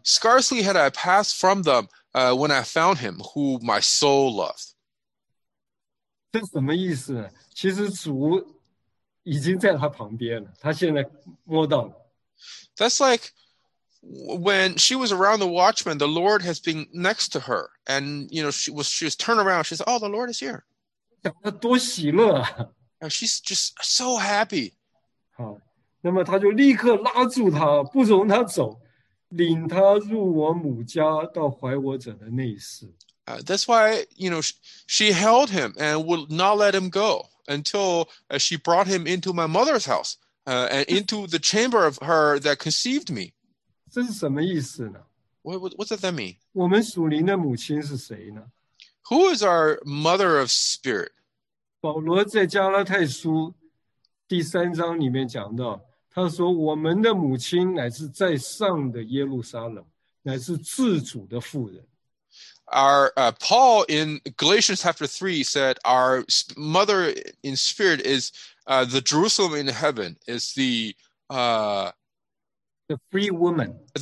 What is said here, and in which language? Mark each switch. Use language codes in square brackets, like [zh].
[en] scarcely had I passed from them when I found him who my soul loved. [zh] 这什么意思呢？其实主已经在他旁边了，他现在摸到了。 [en] That's like when she was around the watchman, the Lord has been next to her, and you know she was turned around. She said, "Oh, the Lord is here." [zh] 想他多喜乐啊！ [en] And she's just so happy. [zh] 好。那么他就立刻拉住他，不容他走，领他入我母家，到怀我者的内室。 [en] That's why, you know, she held him and would not let him go until she brought him into my mother's house, and into the chamber of her that conceived me. [zh] 这是什么意思呢？ [en] What does that mean? [zh] 我们属灵的母亲是谁呢？ [en] Who is our mother of spirit? [zh] 保罗在加拉太书第三章里面讲到，他说我们的母亲乃是在上的耶路撒冷，乃是自主的妇人。 [en] Paul in Galatians chapter 3 said our mother in spirit is the Jerusalem in heaven, is the free woman.